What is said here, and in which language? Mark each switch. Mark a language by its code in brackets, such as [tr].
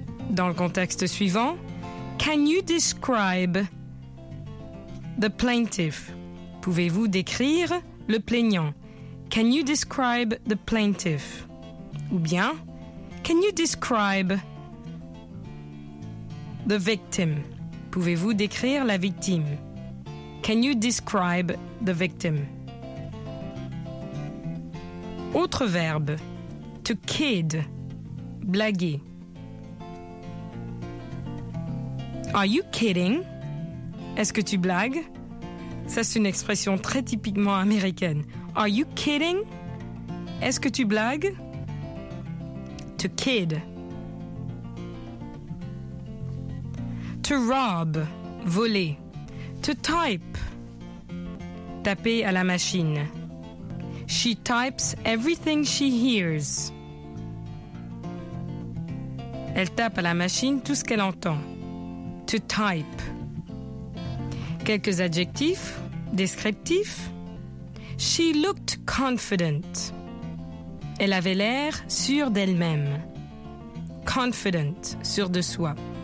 [fr] Dans le contexte suivant, [en] can you describe the plaintiff? [fr] Pouvez-vous décrire le plaignant? [en] Can you describe the plaintiff? [fr] Ou bien, [en] can you describe the victim? [fr] Pouvez-vous décrire la victime? [en] Can you describe the victim? [fr] Autre verbe, to kid, blaguer. [en] Are you kidding? [fr] Est-ce que tu blagues? Ça, c'est une expression très typiquement américaine. [en] Are you kidding? [fr] Est-ce que tu blagues? [en] To kid. To rob, voler. [fr] To type, taper à la machine. [en] She types everything she hears. [fr] Elle tape à la machine tout ce qu'elle entend. [en] To type. [fr] Quelques adjectifs descriptifs. [en] She looked confident. [fr] Elle avait l'air sûre d'elle-même. Confident, sûre de soi.